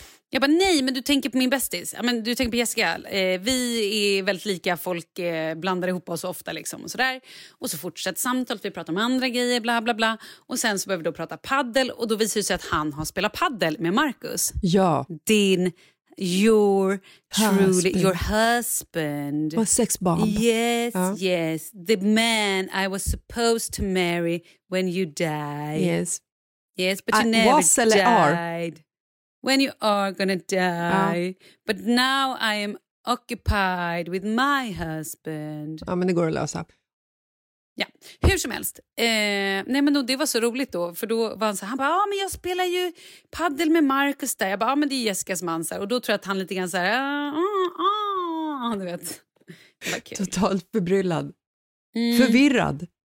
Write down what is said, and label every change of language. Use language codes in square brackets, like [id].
[sv] Jag bara, nej, men du tänker på min bästis. Ja, men du tänker på Jessica. Vi är väldigt lika, folk blandar ihop oss ofta liksom och sådär. Och så fortsätter samtalet, vi pratar om andra grejer, bla bla bla. Och sen så börjar vi då prata paddel. Och då visar det sig att han har spelat paddel med Marcus. Ja. Din... [en] Your truly, your husband. My sex bomb. Yes, yes. The man I was supposed to marry when you die. Yes. Yes, but you never was died. When you are gonna die. But now I am occupied with my husband. [sv] Ja, men det går att lösa. Ja, hur som helst. Nej, men då, det var så roligt då. För då var han så här, han bara, men jag spelar ju paddel med Marcus där. Jag bara, men det är Jessicas man. Så här, och då tror jag att han lite grann så här, du vet. Totalt förbryllad. Mm. Förvirrad.